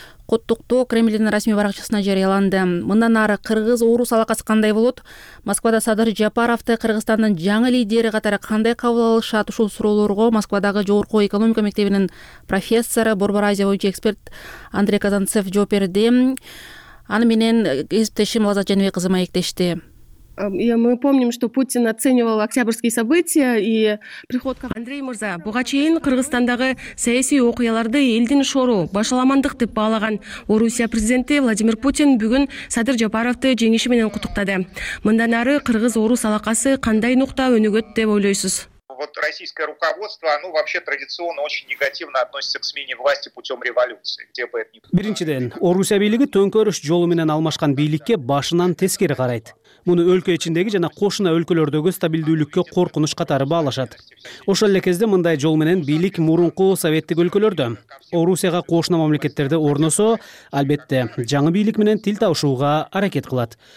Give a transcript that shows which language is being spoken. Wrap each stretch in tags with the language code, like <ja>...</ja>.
<ky>Куттуктоо Кремлдин расмий баракчасына жарыяланды. Мындан ары кыргыз орус алакасы кандай болот? Москвада Садыр Жапаровду Кыргызстандын жаңы лидери катары кандай кабыл алышат? Ушул суроолорго Москвадагы Жогорку экономика мектебинин профессору, Борбор Азия боюнча эксперт Андрей Казанцев жооп берди. Аны менен кесиптешим Лазат Жанбек кызы маектешти.</ky> <ru>Мы помним, что Путин оценивал октябрьские события и приход...</ru> <ky>Андрей Мырза, буга чейин Кыргызстандагы саясий окуяларды элдин шоору, башаламандык деп баалаган Орусия президенти Владимир Путин бүгүн Садыр Жапаровду жеңиши менен куттуктады. Мындан ары кыргыз-орус алакасы кандай нукта өнүгөт деп ойлойсуз?</ky> <ru>Вот российское руководство, оно вообще традиционно очень негативно относится к смене власти путем революции.</ru> <ky>Биринчиден, Орусия бийлиги төңкөрүш жолу менен алмашкан бийликке башынан тескери карайт. муну өлкө ичиндеги жана кошуна өлкөлөрдөгү стабилдүүлүккө коркунуч катары баалашат. Ошол эле кезде мындай жол менен бийлик мурунку советтик өлкөлөрдө, Орусияга кошуна мамлекеттерде орносо, албетте, жаңы бийлик менен тил табышууга аракет кылат.</ky>